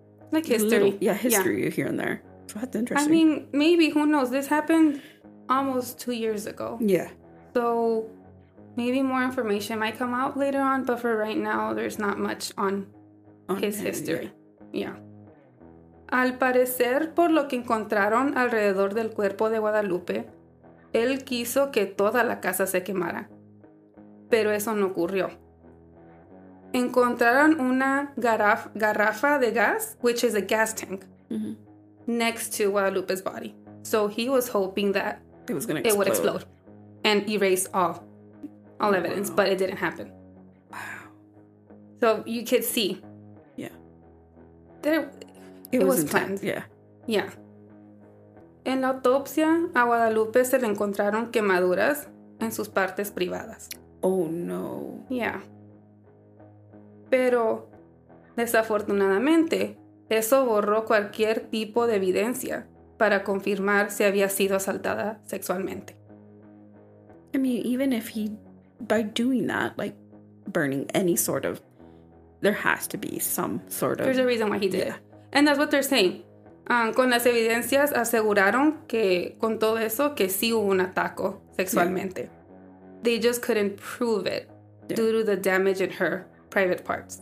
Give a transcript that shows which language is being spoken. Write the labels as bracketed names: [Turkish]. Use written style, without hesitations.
[English] Like, history. History here and there. So that's interesting. I mean, maybe. Who knows? This happened almost 2 years ago. Yeah. So maybe more information might come out later on. But for right now, there's not much on his history. Yeah. [Spanish] Al parecer, por lo que encontraron alrededor del cuerpo de Guadalupe... Él quiso que toda la casa se quemara, pero eso no ocurrió. Encontraron una garrafa de gas, [English] which is a gas tank, mm-hmm. next to Guadalupe's body. So he was hoping that it was gonna explode. It would explode and erase all evidence, but it didn't happen. Wow. So you could see. Yeah. It was planned. Yeah. Yeah. [Spanish] En la autopsia, a Guadalupe se le encontraron quemaduras en sus partes privadas. [English] Oh, no. Yeah. [Spanish] Pero, desafortunadamente, eso borró cualquier tipo de evidencia para confirmar si había sido asaltada sexualmente. [English] I mean, even if he, by doing that, like, burning any sort of, there has to be some sort of... There's a reason why he did it. Yeah. And that's what they're saying. [Spanish] Con las evidencias aseguraron que con todo eso que sí hubo un ataque sexualmente. [English] Yeah. They just couldn't prove it due to the damage in her private parts.